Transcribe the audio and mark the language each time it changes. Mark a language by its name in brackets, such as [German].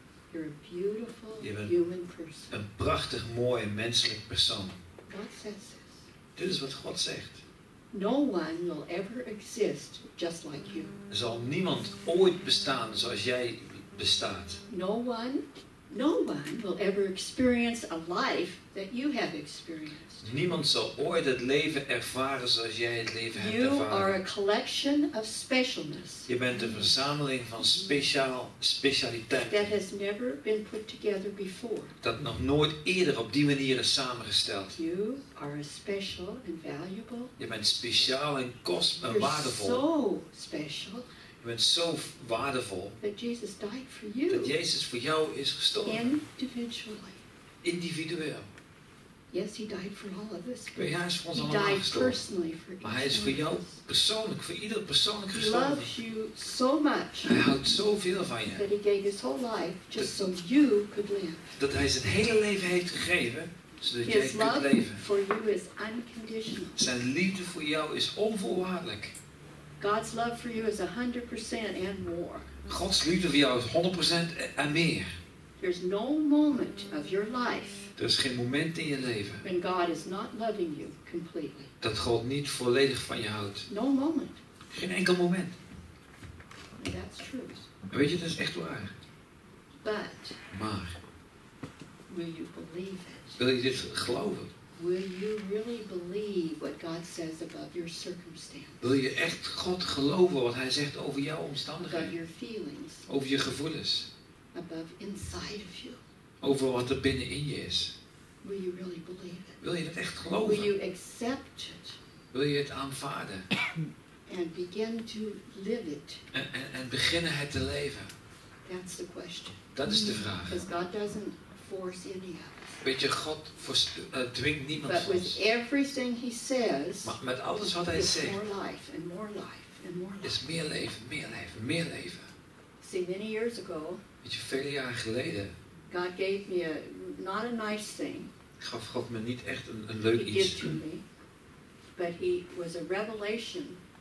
[English] You're a beautiful human person. [Dutch] Een prachtig mooi menselijk persoon. [English] God says this. [Dutch] Dit is wat God zegt. [English] No one will ever exist just like you. [Dutch] Zal niemand ooit bestaan zoals jij bestaat. [English] No one will ever experience a life that you have experienced. [Dutch] Niemand zal ooit het leven ervaren zoals jij het leven hebt ervaren. [English] You are a collection of specialness. [Dutch] Je bent een verzameling van specialiteit. [English] That has never been put together before. [Dutch] Dat nog nooit eerder op die manier is samengesteld. [English] You are a special and valuable. [Dutch] Je bent speciaal en kostbaar, waardevol. [English] So special. [Dutch] Je bent zo waardevol [English] that Jesus died for you. [Dutch] Dat Jezus voor jou is gestorven. [English] Individually. [Dutch] Individueel. [English] Yes, he died for all of us. [Dutch] Ja, hij is voor ons allemaal gestorven. Maar hij is voor jou persoonlijk, voor ieder persoonlijk gestorven. [English] He loves you so much. [Dutch] Hij houdt zoveel van je. [English] That he gave his whole life just so you could live. [Dutch] Dat hij zijn hele leven heeft gegeven, zodat jij kunt leven. [English] For you is unconditional. [Dutch] Zijn liefde voor jou is onvoorwaardelijk. [English] God's love for you is 100% and more. [Dutch] Gods liefde voor jou is 100% en meer. [English] There's no moment of your life. [Dutch] Er is geen moment in je leven. [English] When God is not loving you completely. [Dutch] Dat God niet volledig van je houdt. [English] No moment. [Dutch] Geen enkel moment. [English] That's true. [Dutch] En weet je, dat is echt waar. [English] But. [Dutch] Maar. [English] Will you believe it? [Dutch] Wil je dit geloven? [English] Will you really believe what God says about your circumstances? [Dutch] Wil je echt God geloven wat hij zegt over jouw omstandigheden? [English] Over your feelings. [Dutch] Over je gevoelens. [English] Above inside of you. [Dutch] Over wat er binnenin je is. [English] Will you really believe it? [Dutch] Wil je het echt geloven? [English] Will you accept it? [Dutch] Wil je het aanvaarden? [English] And begin to live it. [Dutch] En beginnen het te leven. [English] That's the question. [Dutch] Dat is de vraag. [English] Because God doesn't force any of us. [Dutch] Weet je, God dwingt niemand van ons. [English] But with everything he says, [Dutch] maar met alles wat hij zegt, [English] more life and more life and more life. [Dutch] Is meer leven, meer leven, meer leven. [English] See, many years ago, [Dutch] weet je, vele jaren geleden, [English] God gave me not a nice thing. [Dutch] Gaf God me niet echt een leuk iets. [English] To me, but he was a revelation.